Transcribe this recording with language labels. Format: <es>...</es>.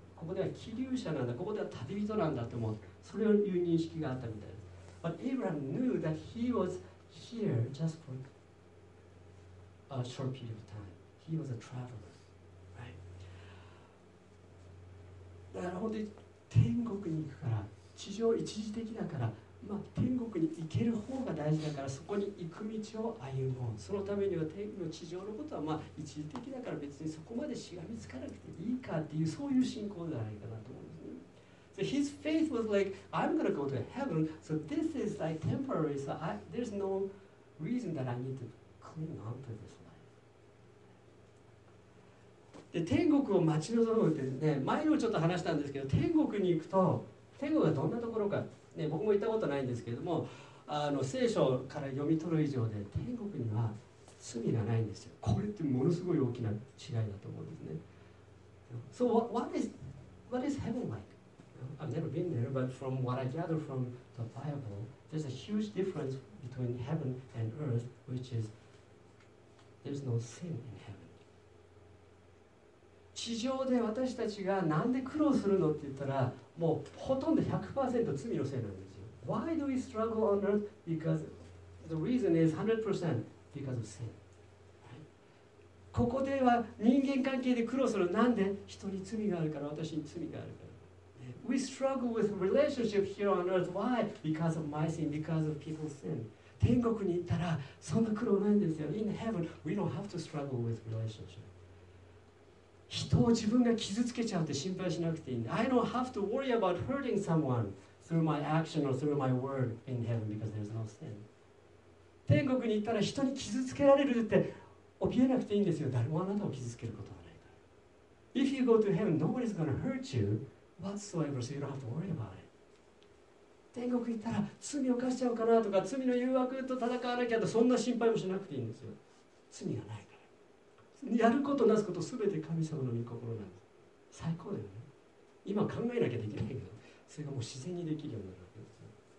<ja>ここでは気流者なんだ。ここでは旅人なんだと思う。それいう認識があったみたいな。</ja> <en>But Abraham knew that he was here just for a short period of time. He was a traveler, right?</en> <ja>だから本当に天国に行くから、地上一時的だから、まあ天国に行ける方が大事だから、そこに行く道を歩もう。そのためには天の地上のことはまあ一時的だから別にそこまでしがみつかなくていいかっていう、そういう信仰じゃないかなと思うんですね。</ja> <en>So his faith was like, I'm going to go to heaven, so this is like temporary, so there's no reason that I need to cling on to this life.</en> <ja>で、天国を待ち望むってね、前にもちょっと話したんですけど、天国に行くと、天国はどんなところか、ね、僕も行ったことないんですけども、聖書から読み取る以上で、天国には罪がないんですよ。これってものすごい大きな違いだと思うんですね。</ja> <en>So what is heaven like? I've never been there, but from what I gather from the Bible, there's a huge difference between heaven and earth, which is there's no sin in heaven.</en> <ja>地上で私たちがなんで苦労するのって言ったら、もうほとんど 100% 罪のせいなんですよ。</ja> <en>Why do we struggle on earth? Because the reason is 100% because of sin.</en> <ja>ここでは人間関係で苦労する。なんで人に罪があるから、私に罪があるから。</ja> <en>We struggle with relationship here on earth. Why? Because of my sin, because of people's sin.</en> <ja>天国に行ったらそんな苦労ないんですよ。</ja> <en>In heaven, we don't have to struggle with relationship.</en> <ja>人を自分が傷つけちゃうって心配しなくていいんで。</ja> <en>I don't have to worry about hurting someone through my action or through my word in heaven because there's no sin.</en> <ja>天国に行ったら人に傷つけられるって怯えなくていいんですよ。誰もあなたを傷つけることはないから。</ja> <en>If you go to heaven, nobody's gonna hurt you whatsoever, so you don't have to worry about it.</en> <ja>天国行ったら罪を犯しちゃうかなとか罪の誘惑と戦わなきゃとそんな心配もしなくていいんですよ。罪がないから。やることなすことすべて神様の御心なんです。最高だよね。今考えなきゃできないけど、それがもう自然にできるようになるわけですよ。</ja>